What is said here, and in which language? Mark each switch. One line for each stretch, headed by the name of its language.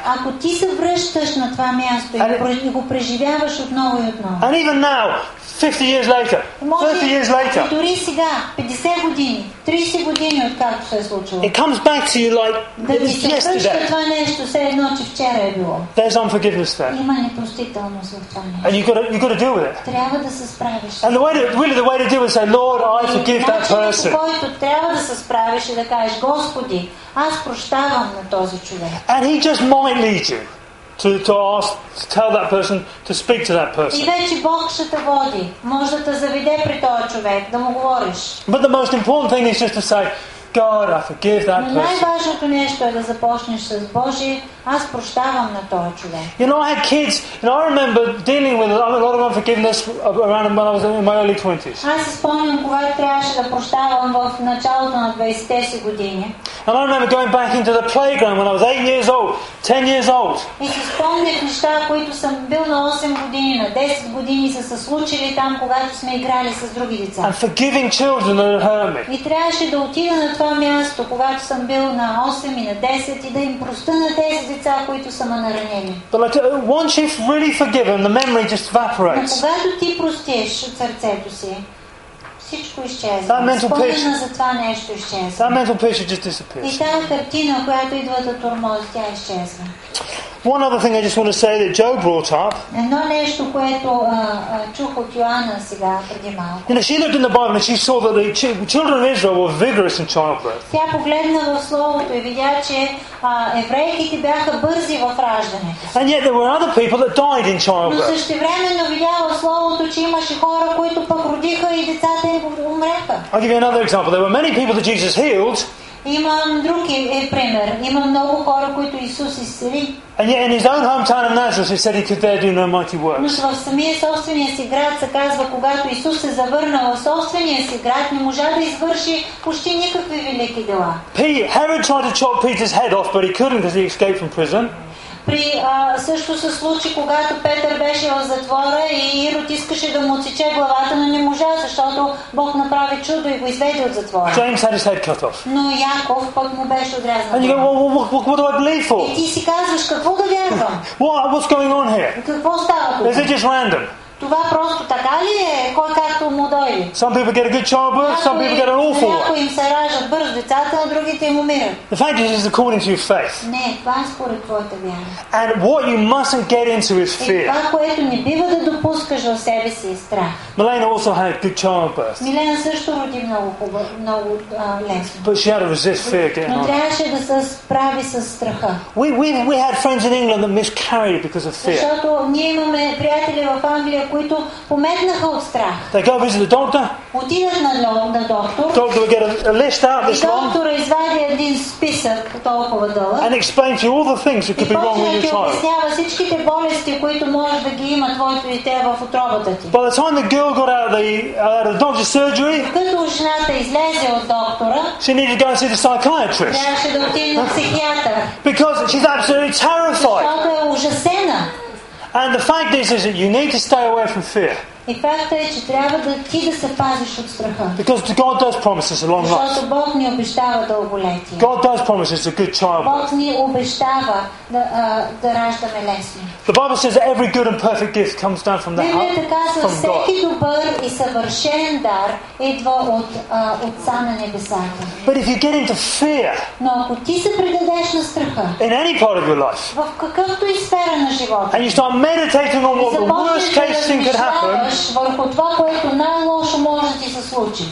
Bulgarian: ако ти се връщаш на това място и го преживяваш отново и отново.
English: And even now, 50 years later. 30 years later.
Bulgarian: Дори сега, 50 години, 30 години откакто се е случило.
English: It comes back to you like yesterday.
Bulgarian: Това нещо все едно, че вчера е било.
English: There's unforgiveness there.
Bulgarian: Има непростителност в това нещо.
English: And you gotta deal with it.
Bulgarian: Трябва да се справиш.
English: And the way to deal with it, say, Lord, I forgive that person.
Bulgarian: Който трябва да се справиш и да кажеш, Господи, аз прощавам на този човек.
English: And he just might lead you. To tell that person to speak to that person.
Bulgarian: И вече Бог ще те води, може да те заведе при този човек, да му говориш.
English: But the most important thing is just to say, God, I forgive that person.
Bulgarian: Най-важното нещо е да започнеш с Божи, аз прощавам на този човек.
English: You know, I had kids, and I remember dealing with a lot of unforgiveness around when I was in my early 20s.
Bulgarian: Аз спомням, когато трябваше да прощавам в началото на 20-те си години.
English: And I remember going back into the playground when I was 8 years old, 10 years old.
Bulgarian: И си спомнях неща, които съм бил на 8 години, на 10 години са се случили там, когато сме играли с други деца.
English: And forgiving children that hurt me.
Bulgarian: И трябваше да отида на това място, когато съм бил на 8 и на 10 и да им проста на тези деца, които са ме наранени.
English: But like, once you've really forgiven, the memory just evaporates.
Bulgarian: Но когато ти простиш от сърцето си, всичко изчезва. Спомена за това нещо изчезва.
English: That mental picture just disappears.
Bulgarian: И тази картина, която идва да тормози, тя изчезва.
English: One other thing I just want to say that Joe brought up.
Bulgarian: Едно нещо, което чух от Йоанна сега преди малко.
English: You know, she looked in the Bible and she saw that the children of Israel were vigorous in childbirth.
Bulgarian: Тя погледна в Словото и видя, че еврейките бяха бързи в раждане.
English: And yet there were other people that died in childbirth.
Bulgarian: Но същевременно видя в Словото, че имаше хора, които пък родиха и децата им умреха.
English: I'll give you another example. There were many people that Jesus healed.
Bulgarian: Имам друг пример. Има много хора, които Исус изцели.
English: And yet in his own hometown of Nazareth, he said he could there do no mighty works.
Bulgarian: Но в самия собствения си град се казва, когато Исус се завърна в собствения си град, не можа да извърши почти никакви велики дела.
English: Herod tried to chop Peter's head off, but he couldn't because he escaped from prison.
Bulgarian: При също се случи, когато Петър беше в затвора и Ирод искаше да му отсече главата, но не можа, защото Бог направи чудо и го изведе от затвора.
English: James had his head cut off.
Bulgarian: Но Яков пък му беше отрязан.
English: And you go, what do I believe for?
Bulgarian: И ти си казваш, какво да вярвам?
English: What's going on here?
Bulgarian: Какво става тук?
English: Is it just random?
Bulgarian: Това просто така ли е? Кой както му дойде?
English: Some people get a good childbirth, some people get an awful one.
Bulgarian: Някои им се раждат бързо децата, а другите им умират.
English: The fact is, it's according to your faith.
Bulgarian: Не, това е според твоята вяра.
English: And what you mustn't get into is fear.
Bulgarian: И това, което не бива да допускаш в себе си, е страх.
English: Милена also had a good childbirth.
Bulgarian: Милена също роди много лесно.
English: But she had to resist fear again.
Bulgarian: Но трябваше да се справи с страха.
English: We had friends in England that miscarried because of fear.
Bulgarian: Защото ние имаме приятели в Англия, които пометнаха от страх.
English: They go visit the doctor.
Bulgarian: Отидат на доктор.
English: Doctor will get a list out this long.
Bulgarian: Доктора извади един списък толкова дълъг.
English: And explain to you all the things that could be wrong with your child.
Bulgarian: И обяснява всичките болести, които може да ги има твоето дете в утробата ти.
English: By the time the girl got out of the doctor's surgery,
Bulgarian: като жената излезе от доктора,
English: she needed to go and see the psychiatrist.
Bulgarian: Трябваше да отиде на психиатър.
English: Because she's absolutely terrified.
Bulgarian: Защото е ужасена.
English: And the fact is that you need to stay away from fear.
Bulgarian: И факта е, че трябва да ти да се пазиш от страха.
English: Because God does promises a long life.
Bulgarian: Защото Бог ни обещава дълголетие.
English: God does promises a good childbirth.
Bulgarian: Бог ни обещава да, да раждаме лесно.
English: The Bible says that every good and perfect gift comes down from the heart.
Bulgarian: Библията казва, всеки добър и съвършен дар идва от Отца на небесата.
English: But if you get into fear,
Bulgarian: но ако ти се предадеш на страха,
English: in any part of your life,
Bulgarian: в какъвто и сфера на живота,
English: and you start meditating on what the worst case thing could happen,
Bulgarian: върху това, което най-лошо може да ти се случи.